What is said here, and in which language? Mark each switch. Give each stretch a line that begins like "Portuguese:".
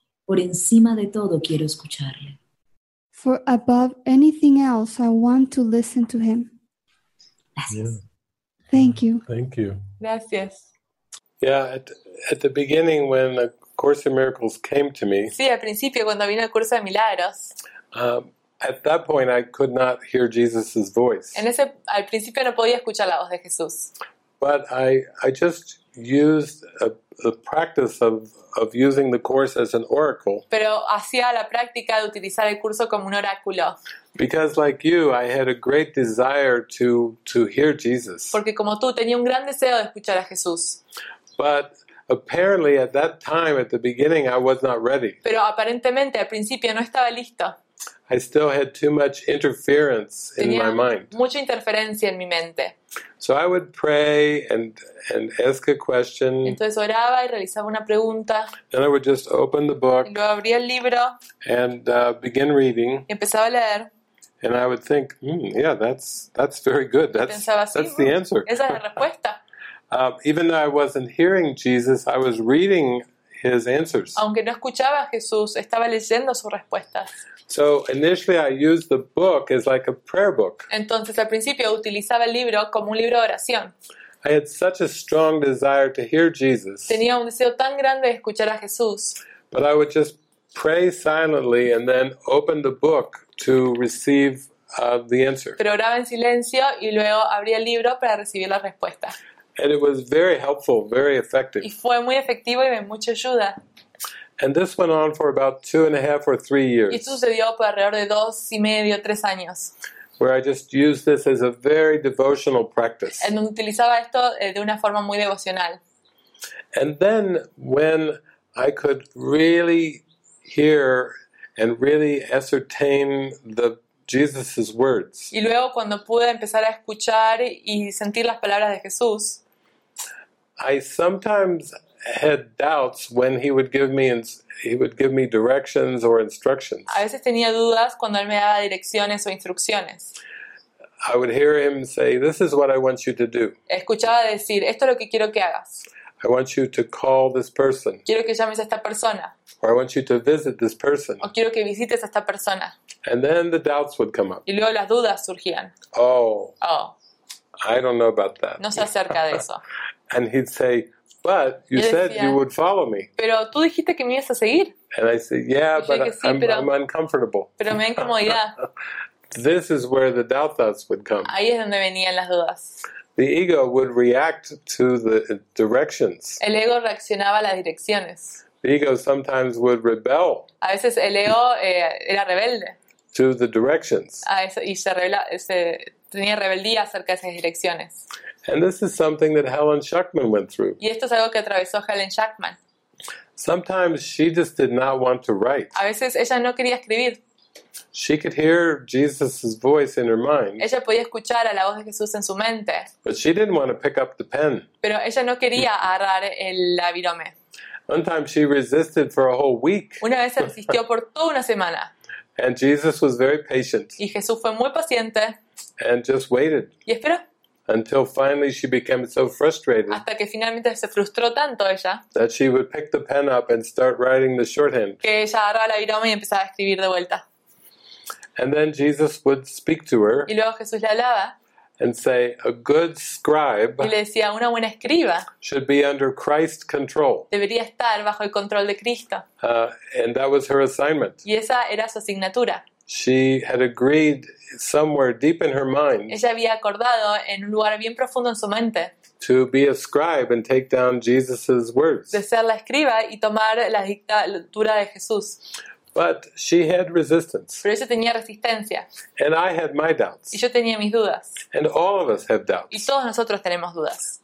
Spanish: Por encima de todo, quiero escucharle.
English: For above anything else, I want to listen to him. Yeah. Thank you. Thank you.
Spanish: Gracias.
English: Yeah, at the beginning when A Course in Miracles came to me.
Spanish: Sí, al principio cuando vino El Curso de Milagros.
English: At that point, I could not hear Jesus' voice.
Spanish: En ese, al principio no podía escuchar la voz de Jesús.
English: But I just used the practice of using the course as an oracle.
Spanish: Pero hacía la práctica de utilizar el curso como un oráculo.
English: Because like you, I had a great desire to hear Jesus.
Spanish: Porque como tú tenía un gran deseo de escuchar a Jesús.
English: But apparently, at that time, at the beginning, I was not ready.
Spanish: Pero aparentemente al principio no estaba listo.
English: I still had too much interference in my mind.
Spanish: Tenía mucha interferencia en mi mente.
English: So I would pray and ask a question.
Spanish: Entonces oraba y realizaba una pregunta.
English: Then I would just open the book.
Spanish: Luego abría el libro.
English: And begin reading.
Spanish: Y empezaba a leer.
English: And I would think, yeah, that's very good. That's
Spanish: pensaba, sí,
English: that's the answer.
Spanish: Esa es la respuesta.
English: Even though I wasn't hearing Jesus, I was reading his answers.
Spanish: Aunque no escuchaba a Jesús, estaba leyendo sus respuestas.
English: So initially I used the book as like a prayer book.
Spanish: Entonces al principio utilizaba el libro como un libro de oración.
English: I had such a strong desire to hear Jesus.
Spanish: Tenía un deseo tan grande de escuchar a Jesús.
English: But I would just pray silently and then open the book to receive the answer.
Spanish: Pero oraba en silencio y luego abría el libro para recibir la respuesta.
English: And it was very helpful, very effective.
Spanish: Y fue muy efectivo y de mucha ayuda.
English: And this went on for about 2.5 or 3 years.
Spanish: Y sucedió por alrededor de 2.5 o 3 años.
English: Where I just used this as a very devotional practice.
Spanish: En donde utilizaba esto de una forma muy devocional.
English: And then when I could really hear and really ascertain the Jesus's words.
Spanish: Y luego cuando pude empezar a escuchar y sentir las palabras de Jesús.
English: I sometimes had doubts when he would give me directions or instructions.
Spanish: A veces tenía dudas cuando él me daba direcciones o instrucciones.
English: I would hear him say, "This is what I want you to do."
Spanish: Escuchaba decir, "Esto es lo que quiero que hagas."
English: I want you to call this person.
Spanish: Quiero que llames a esta persona.
English: Or I want you to visit this person.
Spanish: O quiero que visites a esta persona.
English: And then the doubts would come up.
Spanish: Y luego las dudas surgían. Oh. Oh.
English: I don't know about that.
Spanish: No sé acerca de eso.
English: And he'd say, "But you
Spanish: decía,
English: said you would follow me."
Spanish: Pero tú dijiste que me ibas a seguir.
English: And I said, "Yeah, but sí, I'm uncomfortable."
Spanish: Pero me da incomodidad.
English: This is where the doubts would come.
Spanish: Ahí es donde venían las dudas.
English: The ego would react to the directions.
Spanish: El ego reaccionaba a las direcciones.
English: The ego sometimes would rebel.
Spanish: A veces el ego era rebelde.
English: To the directions.
Spanish: A eso, y se rebela, se, tenía rebeldía acerca de esas direcciones.
English: And this is something that Helen Schuckman went through.
Spanish: Y esto es algo que atravesó Helen Schuckman.
English: Sometimes she just did not want to write.
Spanish: A veces ella no quería escribir.
English: She could hear Jesus' voice in her mind.
Spanish: Ella podía escuchar a la voz de Jesús en su mente.
English: But she didn't want to pick up the pen.
Spanish: Pero ella no quería agarrar el labirome.
English: One time she resisted for a whole week.
Spanish: Una vez resistió por toda una semana.
English: And Jesus was very patient.
Spanish: Y Jesús fue muy paciente.
English: And just waited.
Spanish: Y esperó.
English: Until finally she became so frustrated.
Spanish: Hasta que finalmente se frustró tanto ella.
English: That she would pick the pen up and start writing the shorthand.
Spanish: Que ella agarraba la virome y empezaba a escribir de vuelta.
English: And then Jesus would speak to her.
Spanish: Y luego Jesús le hablaba.
English: And say, "A good scribe."
Spanish: Y le decía, una buena escriba.
English: Should be under Christ's control.
Spanish: Debería estar bajo el control de Cristo.
English: And that was her assignment.
Spanish: Y esa era su asignatura.
English: She had agreed somewhere deep in her mind.
Spanish: Ella había acordado en un lugar bien profundo en su mente.
English: to be a scribe and take down Jesus's words.
Spanish: De ser la escriba y tomar la dictadura de Jesús.
English: But she had resistance.
Spanish: Pero ella tenía resistencia.
English: And I had my doubts.
Spanish: Y yo tenía mis dudas.
English: And all of us have doubts.
Spanish: Y todos nosotros tenemos dudas.